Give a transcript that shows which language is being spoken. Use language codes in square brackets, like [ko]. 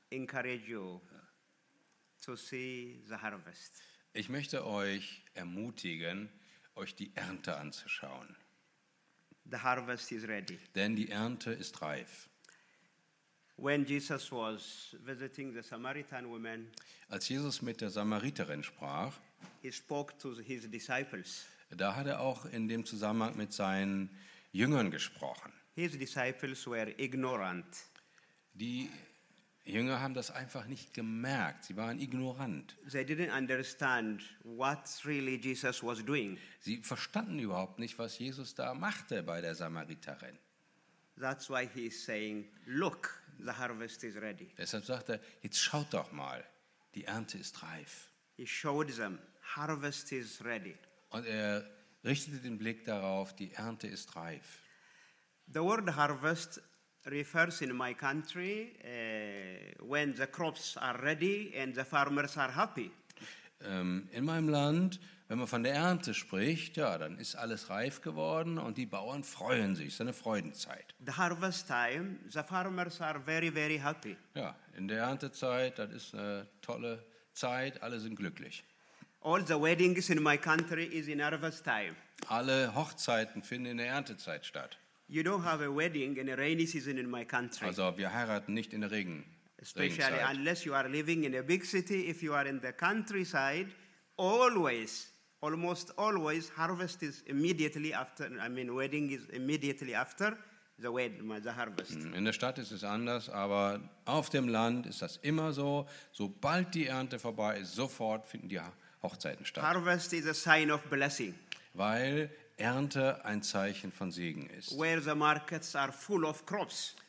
[en] Encourage you to see the harvest. [de] Ich möchte euch ermutigen, euch die Ernte anzuschauen. [en] The harvest is ready. [de] Denn die Ernte ist reif. [en] When Jesus was visiting the Samaritan woman, [de] als Jesus mit der Samariterin sprach, [en] he spoke to his disciples. [de] Da hat er auch in dem Zusammenhang mit seinen Jüngern gesprochen. [en] His disciples were ignorant. [de] Die Jünger haben das einfach nicht gemerkt. Sie waren ignorant. [en] They didn't understand what really Jesus was doing. [de] Sie verstanden überhaupt nicht, was Jesus da machte bei der Samariterin. [en] That's why he's saying, look, the harvest is ready. [de] Deshalb sagt er, jetzt schaut doch mal, die Ernte ist reif. [en] He showed them, harvest is ready. [de] Und er richtete den Blick darauf, die Ernte ist reif. [en] The word harvest refers in my country when the crops are ready and the farmers are happy. [de] In meinem Land, wenn man von der Ernte spricht, ja, dann ist alles reif geworden und die Bauern freuen sich, es ist eine Freudenzeit. [en] The harvest time, the farmers are very, very happy. [de] Ja, in der Erntezeit, das ist eine tolle Zeit, alle sind glücklich. [en] All the weddings in my country is in harvest time. [de] Alle Hochzeiten finden in der Erntezeit statt. [en] You don't have a wedding in a rainy season in my country. [de] Also, wir heiraten nicht in Regen. [en] Especially [de] Regenzeit. [en] Unless you are living in a big city, if you are in the countryside, always, almost always, harvest is immediately after. I mean, wedding is immediately after the wedding, the harvest. [de] In der Stadt ist es anders, aber auf dem Land ist das immer so. Sobald die Ernte vorbei ist, sofort finden die Hochzeiten statt. [en] Harvest is a sign of blessing. [de] Weil Ernte ein Zeichen von Segen ist. [en] Where the markets are full of crops.